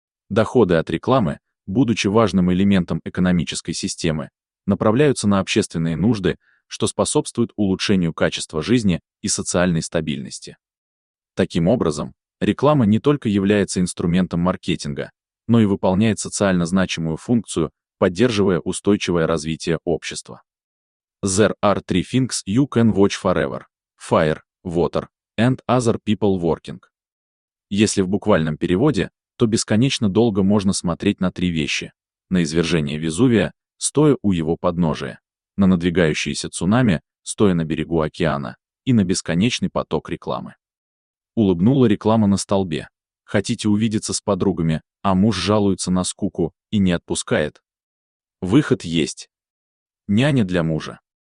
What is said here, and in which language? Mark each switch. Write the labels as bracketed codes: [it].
[ru] Доходы от рекламы, будучи важным элементом экономической системы, направляются на общественные нужды, что способствует улучшению качества жизни и социальной стабильности. Таким образом, реклама не только является инструментом маркетинга, но и выполняет социально значимую функцию, поддерживая устойчивое развитие общества. [en] There are three things you can watch forever: fire, water, and other people working. [ru] Если в буквальном переводе, то бесконечно долго можно смотреть на три вещи: на извержение Везувия, стоя у его подножия, на надвигающиеся цунами, стоя на берегу океана, и на бесконечный поток рекламы. Улыбнула реклама на столбе. Хотите увидеться с подругами, а муж жалуется на скуку и не отпускает? Выход есть. Няня для мужа.